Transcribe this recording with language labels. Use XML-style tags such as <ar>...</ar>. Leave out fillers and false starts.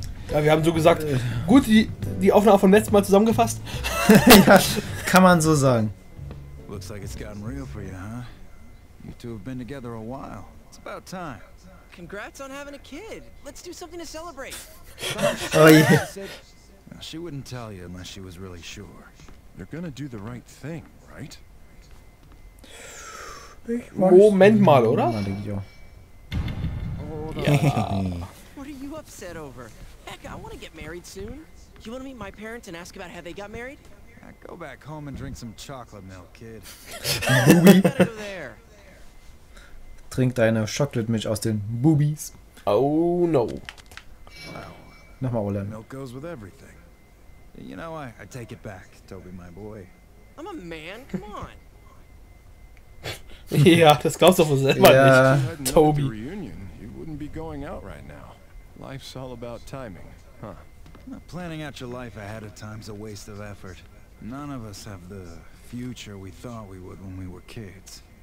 <de>Ja, wir haben so gesagt, gut, die Aufnahme vom letzten Mal zusammengefasst. Ja, kann man so sagen.</de> <en>Looks like it's gotten real for you, huh? You two have been together a while. It's about time. Congrats on having a kid. Let's do something to celebrate. Oh yeah. She wouldn't tell you unless she was really sure. You're gonna do the right thing, right?</en> <de>Moment mal, oder? Ja.</de> <en>What are you upset over? Heck, I want to get married soon. You want to meet my parents and ask about how they got married? Go back home and drink some chocolate milk, kid.</en> <de>Trink deine Chocolate Milch aus den Boobies.</de> <en>Oh no.</en> <de>Nochmal,</de> <en>Olen. Milk goes with everything. You know, I take it back, Toby, my boy. I'm a man, come on.</en> <de>Ja, das glaubst du wohl selber nicht, Toby.</de> <en>Reunion, you wouldn't be going out right now. Life's all about timing, huh? Planning out your life ahead of time's a waste of effort. None of us have the future we thought we would when we were kids.</en>